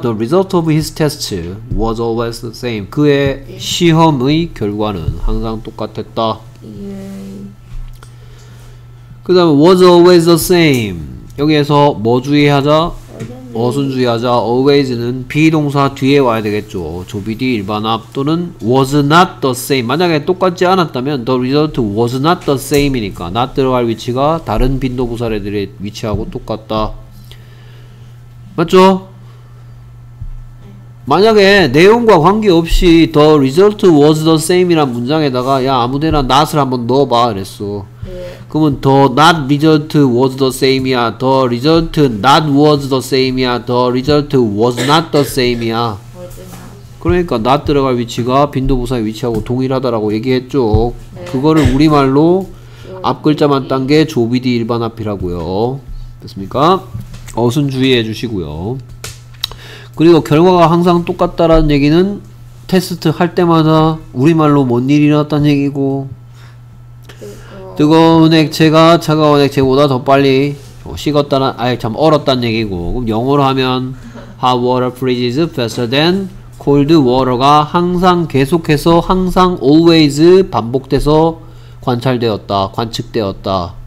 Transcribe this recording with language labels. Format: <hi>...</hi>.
<en>The result of his test was always the same.</en> <ko>그의 예. 시험의 결과는 항상 똑같았다. 예. 그 다음에</ko> <en>was always the same.</en> <ko>여기에서 뭐 주의하자? 어순 주의하자. always는 비동사 뒤에 와야 되겠죠. 조비디 일반합 또는 was not the same. 만약에 똑같지 않았다면</ko> <en>the result was not the same</en> <ko>이니까 not 들어갈 위치가 다른 빈도 부사례들의 위치하고 똑같다. 맞죠? 만약에 내용과 관계없이</ko> <en>the result was the same</en> <ko>이란 문장에다가 야 아무데나 not을 한번 넣어봐 그랬어. 그러면</ko> <en>the not result was the same이야, the result not was the same이야, the result was not the same이야.</en> <ko>그러니까 not 들어갈 위치가 빈도부사의 위치하고 동일하다라고 얘기했죠. 네. 그거를 우리말로 앞글자만 딴 게 조비디 일반 앞이라고요. 됐습니까? 어순 주의해 주시고요. 그리고 결과가 항상 똑같다라는 얘기는 테스트 할 때마다 우리말로 뭔 일이 일어났다는 얘기고 뜨거운 액체가 차가운 액체보다 더 빨리 식었다는, 아예 참 얼었다는 얘기고, 그럼 영어로 하면</ko> <en>hot water freezes faster than cold water</en> <ko>가 항상 계속해서 항상 always 반복돼서 관찰되었다, 관측되었다.</ko>